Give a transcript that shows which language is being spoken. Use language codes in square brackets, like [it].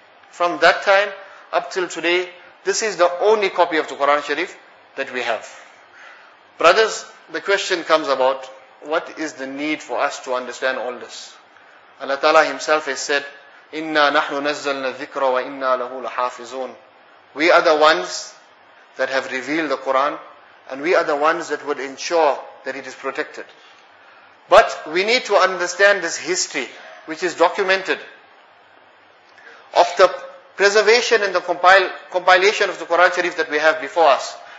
[en] From that time up till today, this is the only copy of the Quran Sharif that we have. Brothers, the question comes about, what is the need for us to understand all this? Allah Ta'ala Himself has said, [ar] إِنَّا نَحْنُ نَزَّلْنَا الذِّكْرَ وَإِنَّا لَهُ لَحَافِظُونَ. [en] We are the ones that have revealed the Quran, and we are the ones that would ensure that it is protected. But we need to understand this history, which is documented, of the preservation and the compilation of the Quran Sharif that we have before us.